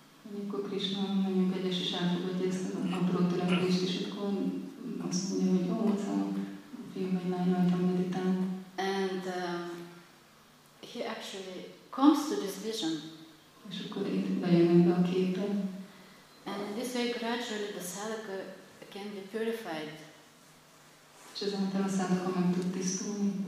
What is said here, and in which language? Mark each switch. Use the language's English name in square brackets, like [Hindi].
[Hungarian] Amikor Krishna nagyon kegyes és elfogadja ezt a apró törekvést, és akkor azt mondja, hogy jó, az a fiú vagy lány rajta meditál. [English] And he actually comes to this vision. [Hungarian] És akkor itt bejön ebbe a képbe. [English] And in this way gradually the sadhaka can be purified. [Hungarian] És ezáltal a sadhaka meg tud tisztulni.